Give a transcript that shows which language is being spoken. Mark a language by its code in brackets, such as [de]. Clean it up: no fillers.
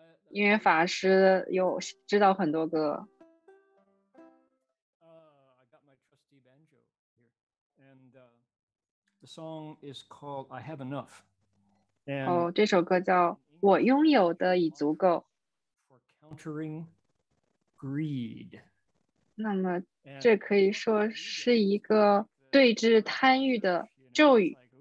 [zh] 因为法师有知道很多歌。 [en] I got my trusty banjo here. And the song is called I Have Enough. [zh] 这首歌叫我拥有的已足够。 [en] For countering greed. [zh] 那么这可以说是一个对峙贪欲的咒语。